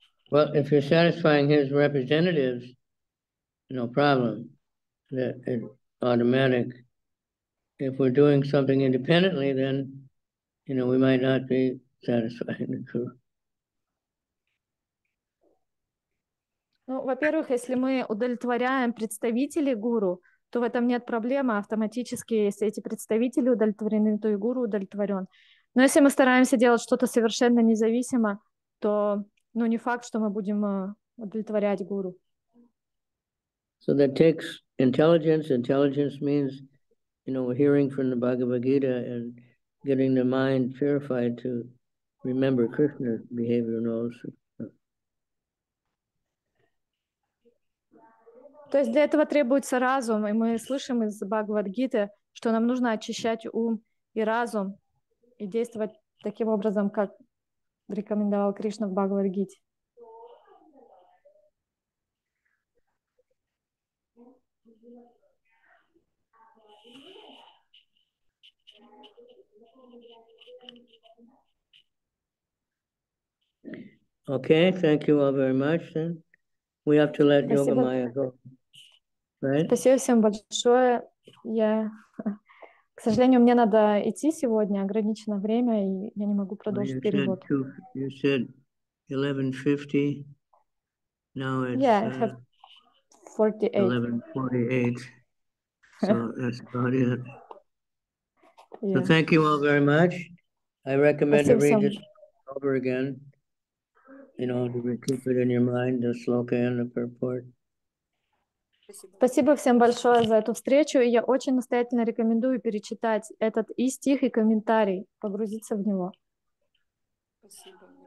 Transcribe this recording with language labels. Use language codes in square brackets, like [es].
[en] Well, if you're satisfying his representatives, no problem. That it automatic. If we're doing something independently, then you know we might not be satisfying the guru. [ru] Ну, во-первых, если мы удовлетворяем представителей гуру, то в этом нет проблемы. Автоматически, если эти представители удовлетворены, то и гуру удовлетворен. Но если мы стараемся делать что-то совершенно независимо, то ну, не факт, что мы будем удовлетворять гуру. [en] So that takes intelligence. Intelligence means, you know, hearing from the Bhagavad Gita and getting the mind purified to remember Krishna's behavior and all. [ru] То есть для этого требуется разум, и мы слышим из Бхагавад-гиты, что нам нужно очищать ум и разум и действовать таким образом, как рекомендовал Кришна в Бхагавад-гите. [en] Okay. Okay, thank you all very much. And we have to let Yoga Maya go. Right? [ru] Спасибо всем большое. Я, к сожалению, мне надо идти сегодня, ограничено время, и я не могу продолжить перевод. [en] You said 11:50. Now it's yeah, I have 48. 11:48. So that's about it. Yeah. So thank you all very much. I recommend to read it over again. You know, to keep it in your mind, the sloka and the purport. [ru] Спасибо всем большое за эту встречу, и я очень настоятельно рекомендую перечитать этот и стих, и комментарий, погрузиться в него. Спасибо.